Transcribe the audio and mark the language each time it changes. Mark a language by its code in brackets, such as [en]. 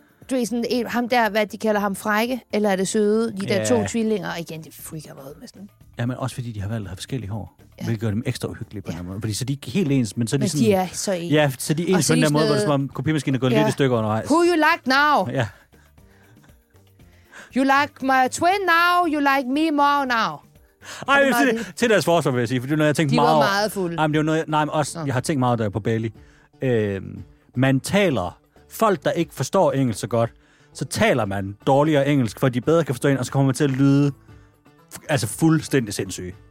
[da] Du er sådan en, ham der, hvad de kalder ham, frække, eller er det søde, de der to tvillinger, og igen, det freaker mig ud med sådan. Ja, men også fordi de har valgt at have forskellige hår, hvilket gør dem ekstra uhyggelige på en måde. Fordi så de er ikke helt ens, men så er de men sådan... Men de er så ens. Ja, så de er ens på den der måde, hvor det er som om kopimaskinen er gået lidt i stykker undervejs. [en] Who you like now? [da] Ja. [en] You like my twin now, you like me more now. [da] Ej, jeg sige, til deres forsvar vil jeg sige, for det er noget, jeg tænkte meget... De var meget fulde. Nej, men det er noget, jeg har tænkt meget, da jeg på Bali. Man taler. Folk, der ikke forstår engelsk så godt, så taler man dårligere engelsk, for de bedre kan forstå en, og så kommer man til at lyde altså fuldstændig sindssyge.